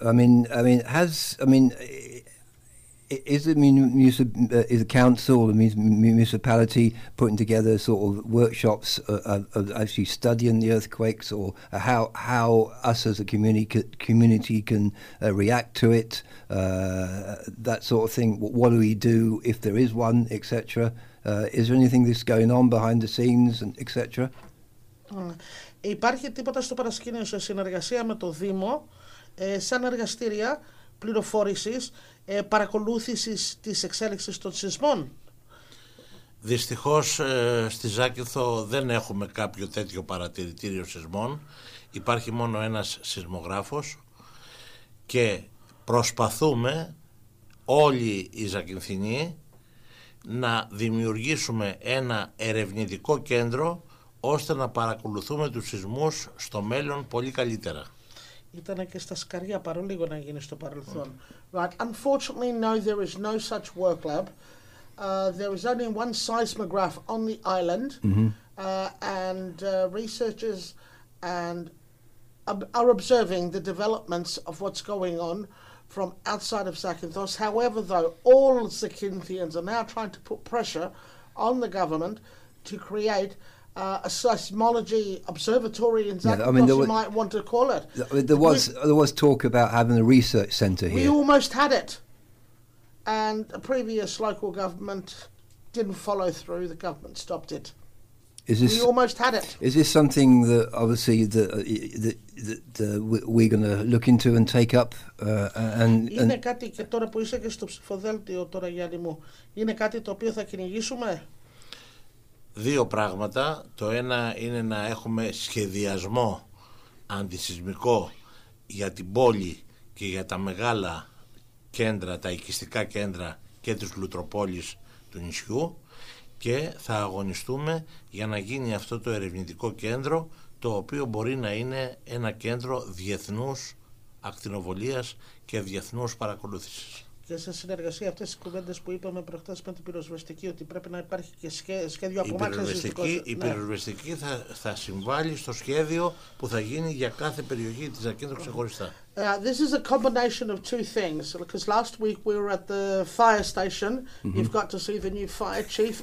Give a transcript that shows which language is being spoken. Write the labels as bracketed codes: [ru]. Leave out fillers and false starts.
[en] Is the council, the municipality, putting together sort of workshops of actually studying the earthquakes, or how us as a community can react to it, that sort of thing? What do we do if there is one, etc.? Is there anything that's going on behind the scenes, etc.? [el] Υπάρχει τίποτα στο παρασκήνιο σε συνεργασία με το Δήμο, σαν εργαστήρια πληροφόρησης, παρακολούθησης της εξέλιξης των σεισμών? Δυστυχώς, στη Ζάκυνθο δεν έχουμε κάποιο τέτοιο παρατηρητήριο σεισμών. Υπάρχει μόνο ένας σεισμογράφος και προσπαθούμε όλοι οι Ζακυνθινοί να δημιουργήσουμε ένα ερευνητικό κέντρο ώστε να παρακολουθούμε τους σεισμούς στο μέλλον πολύ καλύτερα. Ήταν και στα Σκαριά παρόλίγο να γίνει στο παρελθόν. [en] Right. Unfortunately, no, there is no such work lab. There is only one seismograph on the island, and researchers and are observing the developments of what's going on from outside of Zakynthos. However, though, all Zakynthians are now trying to put pressure on the government to create a seismology observatory in Zakynthos, you might want to call it. There was talk about having a research centre here. We almost had it. And a previous local government didn't follow through. The government stopped it. We almost had it. Is this something that obviously that we're going to look into and take up? [el] Είναι κάτι και τώρα που είσαι και στο ψηφοδέλτιο τώρα, Γιάννη μου, είναι κάτι το οποίο θα κυνηγήσουμε. Δύο πράγματα. Το ένα είναι να έχουμε σχεδιασμό αντισεισμικό για την πόλη και για τα μεγάλα κέντρα, τα οικιστικά κέντρα και τις λουτροπόλεις του νησιού. Και θα αγωνιστούμε για να γίνει αυτό το ερευνητικό κέντρο, το οποίο μπορεί να είναι ένα κέντρο διεθνούς ακτινοβολίας και διεθνούς παρακολούθησης. Και σε συνεργασία αυτές τις κουβέντες που είπαμε προχτές με την πυροσβεστική, ότι πρέπει να υπάρχει και σχέδιο από μάξα ζητικό. Η πυροσβεστική θα συμβάλλει στο σχέδιο που θα γίνει για κάθε περιοχή της Ζακύνθου ξεχωριστά. [en] This is a combination of two things, because last week we were at the fire station. Mm-hmm. You've got to see the new fire chief.